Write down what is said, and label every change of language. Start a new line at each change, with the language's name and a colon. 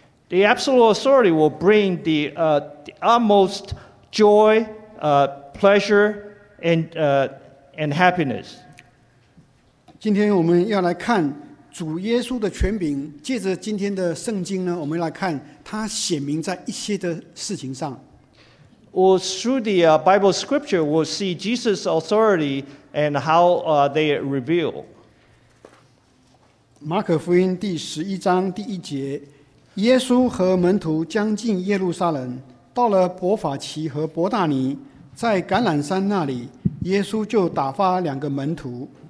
English: The absolute authority will bring the utmost joy, pleasure, and happiness.
Chinese: 今天我们要来看主耶稣的权柄，借着今天的圣经呢，我们来看它显明在一些的事情上。
English: Well, through the Bible scripture, we'll see Jesus' authority and how they reveal.
Chinese: 马可福音第十一章第一节。耶稣和门徒将近耶路撒冷，到了伯法其和伯大尼，在橄榄山那里，耶稣就打发两个门徒。